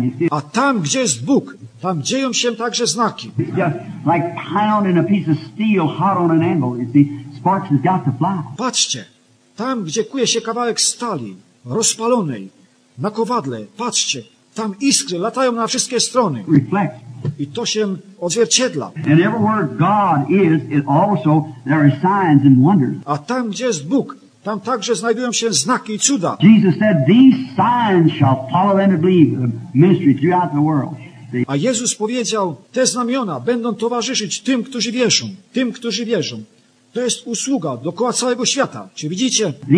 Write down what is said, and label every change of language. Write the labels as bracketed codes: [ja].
[pl] A tam, gdzie jest Bóg, tam dzieją się także znaki. [en] Like pounding a piece of steel hot on an anvil, you see, sparks has got to fly. [pl] Patrzcie. Tam, gdzie kuje się kawałek stali, rozpalonej, na kowadle, patrzcie, tam iskry latają na wszystkie strony. [en] Reflect. [pl] I to się odzwierciedla. [en] And everywhere God is, it also, there are signs and wonders. [pl] A tam, gdzie jest Bóg, tam także znajdują się znaki i cuda. [en] Jesus said, these signs shall follow them to believe the ministry throughout the world. [pl] A Jezus powiedział, te znamiona będą towarzyszyć tym, którzy wierzą, tym, którzy wierzą. To jest usługa dookoła całego świata. Czy widzicie?